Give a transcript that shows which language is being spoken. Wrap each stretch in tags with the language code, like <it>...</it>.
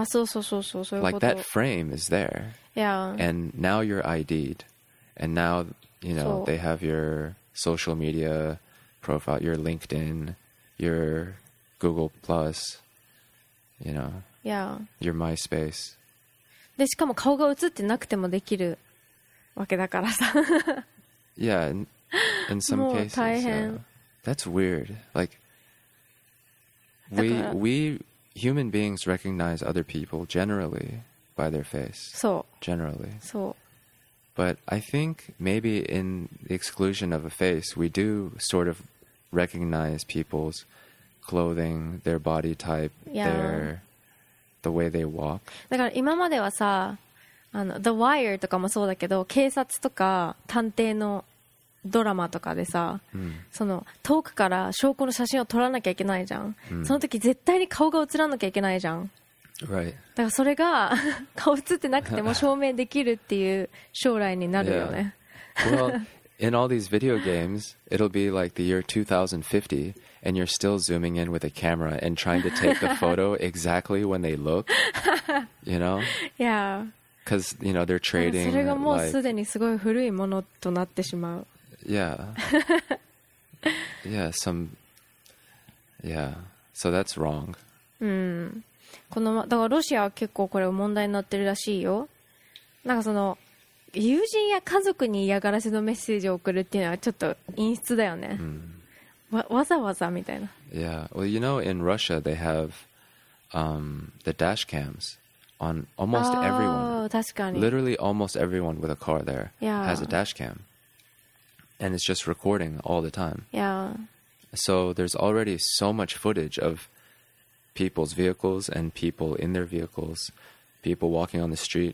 <ja>そういうこと。</ja> <en>Like that frame is there. Yeah. And now you're ID'd. And now, you know, they have your social media profile, your LinkedIn, your Google Plus, you know. Yeah. Your MySpace.</en> <ja>で、しかも顔が映ってなくてもできるわけだからさ。</ja> <en>yeah. In some cases, that's weird. Like, we human beings recognize other people generally by their face. So, generally. So, but I think maybe in the exclusion of a face, we do sort of recognize people's clothing, their body type, the way they walk.</en> <ja>だから今まではさ、あの The Wire とかもそうだけど、警察とか探偵のドラマとかでさ、うん、その遠くから証拠の写真を撮らなきゃいけないじゃん、うん、その時絶対に顔が映らなきゃいけないじゃん、</ja> <en>Right.</en> <ja>だからそれが顔映ってなくても証明できるっていう将来になるよね。</ja> <en>Yeah. Well, in all these video games, it'll be like the year 2050, and you're still zooming in with a camera and trying to take the photo exactly when they look. You know? Yeah. Because you know they're trading.</en> <ja>それがもうすでにすごい古いものとなってしまう。</ja> <en>Yeah. Yeah. Some. Yeah. So that's wrong. Hmm.</en> <ja>このだからロシアは結構これ問題になってるらしいよ。なんかその友人や家族に嫌がらせのメッセージを送るっていうのはちょっと陰湿だよね、mm. わざわざみたいな。</ja> <en>Yeah, well you know in Russia they have、the dash cams on almost everyone.</en> <ja>確かに。</ja> <en>Literally almost everyone with a car there、 yeah. has a dash cam and it's just recording all the time. Yeah. So there's already so much footage ofPeople's vehicles and people in their vehicles, people walking on the street.</en>